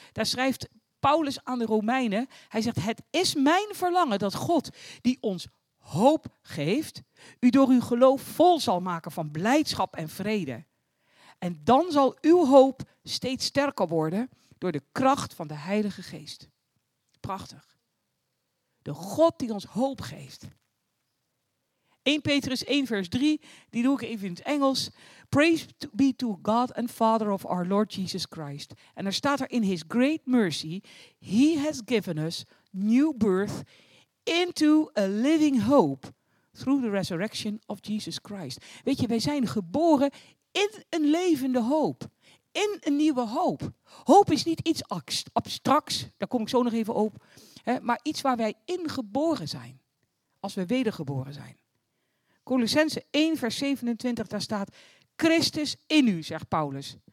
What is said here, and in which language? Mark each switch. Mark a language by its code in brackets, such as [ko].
[nl] Daar schrijft Paulus aan de Romeinen, hij zegt, het is mijn verlangen dat God die ons hoop geeft, u door uw geloof vol zal maken van blijdschap en vrede. En dan zal uw hoop steeds sterker worden door de kracht van de Heilige Geest. Prachtig. De God die ons hoop geeft. 1 Petrus 1 vers 3, die doe ik even in het Engels. [en] Praise be to God and Father of our Lord Jesus Christ. [nl] En daar staat er [en] in his great mercy, he has given us new birth into a living hope through the resurrection of Jesus Christ. [nl] Weet je, wij zijn geboren in een levende hoop. In een nieuwe hoop. Hoop is niet iets abstracts, daar kom ik zo nog even op. Hè, maar iets waar wij in geboren zijn. Als we wedergeboren zijn. Colossense 1 vers 27, daar staat Christus in u, zegt Paulus.